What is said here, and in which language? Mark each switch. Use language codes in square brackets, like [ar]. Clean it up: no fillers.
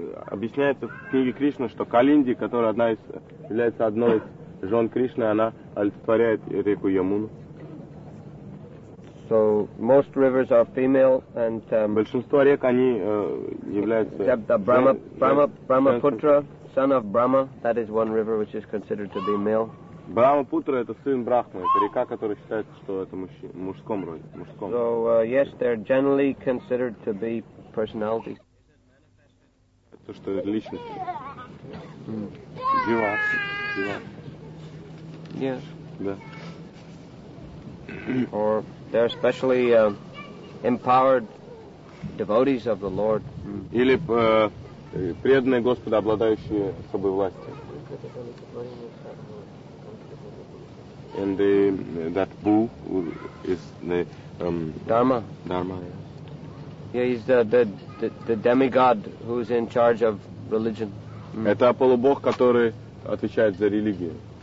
[ru] Объясняется в книге Кришны, что Калинди, которая одна из является одной из жен Кришны, она олицетворяет реку Ямуну. [en] So most rivers are female and [ru] большинство рек они являются [en] except the Brahmaputra, son of Brahma, that is one river which is considered to be male. [ru] Брахмапутра это сын Брахмы, это река, которая считается, что это мужском роде, мужском. [en] So yes, they're generally considered to be personality. [ru] То, что это личность. Дива. [en] Yes. Yeah. Or they're especially empowered devotees of the Lord. [ru] Или преданные Господа, обладающие особой властью. [en] And the that bull is the Dharma. Dharma. Yeah, he's the demigod who's in charge of religion. [ru] Это полубог, который отвечает за религию.